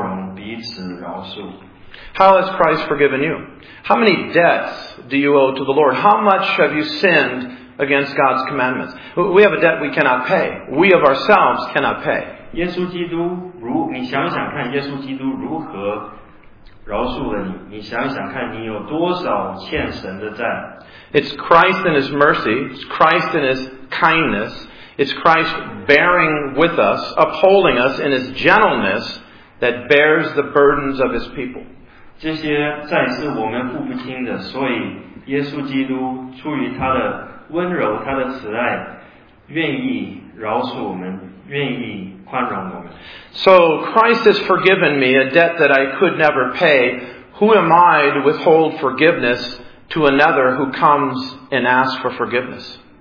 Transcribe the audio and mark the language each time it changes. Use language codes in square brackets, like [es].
[zh] 13节说，倘若这人与那人有嫌隙，总要彼此包容，彼此饶恕。 [en] How has Christ forgiven you? How many debts do you owe to the Lord? How much have you sinned against God's commandments? We have a debt we cannot pay. We of ourselves cannot pay. [zh] 耶稣基督，你想想看，耶稣基督如何饶恕了你？你想想看，你有多少欠神的债？ [en] It's Christ in His mercy, it's Christ in His kindness, it's Christ bearing with us, upholding us in His gentleness that bears the burdens of His people. [zh] 这些债是我们付不清的，所以耶稣基督出于他的温柔，他的慈爱，愿意饶恕我们，愿意宽容我们。 [en] So Christ has forgiven me a debt that I could never pay. Who am I to withhold forgiveness to another who comes and asks for forgiveness?